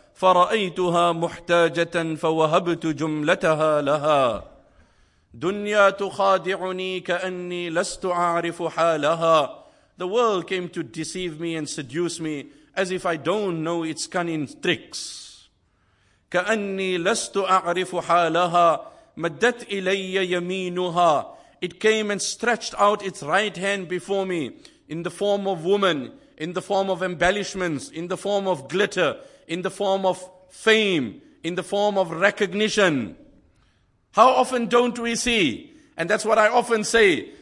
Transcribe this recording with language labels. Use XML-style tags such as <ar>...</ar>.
<ar>فرأيتها محتاجة فوهبت جملتها لها دنيا تخادعني كأني لست أعرف حالها.</ar> <en>The world came to deceive me and seduce me as if I don't know its cunning tricks.</en> <ar>كأني لست أعرف حالها مدت إلي يمينها.</ar> <en>It came and stretched out its right hand before me in the form of woman, in the form of embellishments, in the form of glitter, in the form of fame, in the form of recognition. How often don't we see? And that's what I often say.</en>